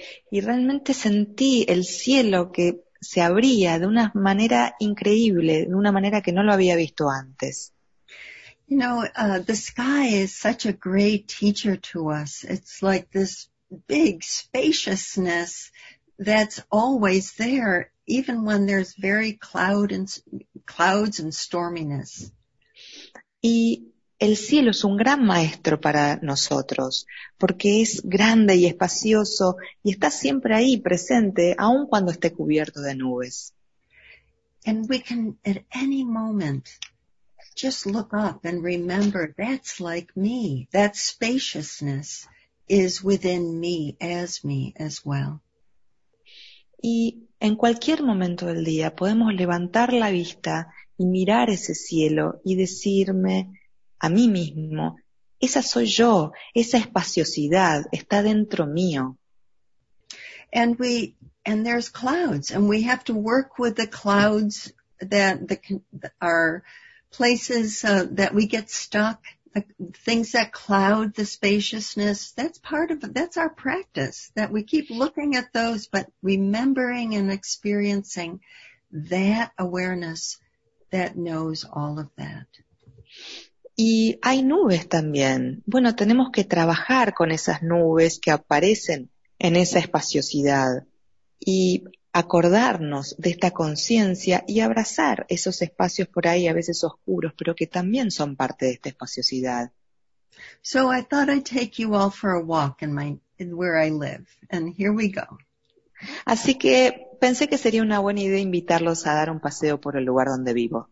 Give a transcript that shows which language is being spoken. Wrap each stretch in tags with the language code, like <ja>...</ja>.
<es>Y realmente sentí el cielo que se abría de una manera increíble, de una manera que no lo había visto antes.</es> <en>You know, the sky is such a great teacher to us. It's like this big spaciousness that's always there, even when there's very clouds and storminess.</en> <es>Y el cielo es un gran maestro para nosotros, porque es grande y espacioso y está siempre ahí presente, aun cuando esté cubierto de nubes.</es> <en>And we can, at any moment, just look up and remember, that's like me. That spaciousness is within me, as me, as well.</en> <es>Y en cualquier momento del día podemos levantar la vista y mirar ese cielo y decirme a mí mismo, esa soy yo, esa espaciosidad está dentro mío.</es> <en>And there's clouds, and we have to work with the clouds that we get stuck, things that cloud the spaciousness. That's our practice, that we keep looking at those, but remembering and experiencing that awareness that knows all of that.</en> <es>Y hay nubes también. Bueno, tenemos que trabajar con esas nubes que aparecen en esa espaciosidad y acordarnos de esta conciencia y abrazar esos espacios por ahí, a veces oscuros, pero que también son parte de esta espaciosidad.</es> <en>So I thought I'd take you all for a walk in where I live. And here we go.</en> <es>Así que pensé que sería una buena idea invitarlos a dar un paseo por el lugar donde vivo.</es>